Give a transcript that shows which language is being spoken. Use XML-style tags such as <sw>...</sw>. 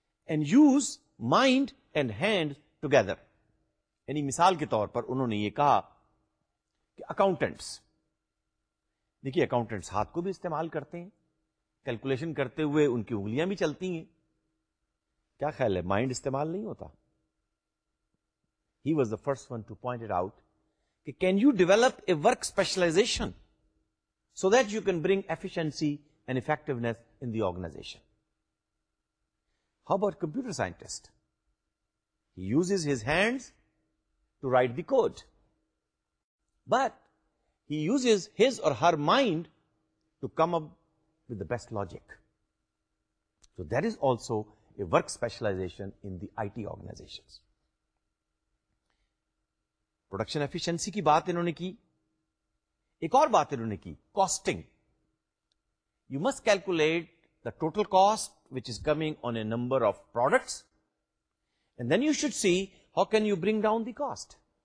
<en>and use mind and hand together.</en> <ur>یعنی مثال کے طور پر انہوں نے یہ کہا کہ اکاؤنٹنٹس, دیکھیے اکاؤنٹنٹس ہاتھ کو بھی استعمال کرتے ہیں, کیلکولیشن کرتے ہوئے ان کی انگلیاں بھی چلتی ہیں, کیا خیال ہے مائنڈ استعمال نہیں ہوتا.</ur> <en>He was the first one to point it out. Can you develop a work specialization so that you can bring efficiency and effectiveness in the organization? How about computer scientist? He uses his hands to write the code. But he uses his or her mind to come up with the best logic. So that is also a work specialization in the IT organizations.</en> <ur>Production efficiency کی بات انہوں نے کی, ایک اور بات انہوں نے کی casting.</ur> <en>You must calculate the total cost which is coming on a number of products and then you should see how can you bring down the cost.</en>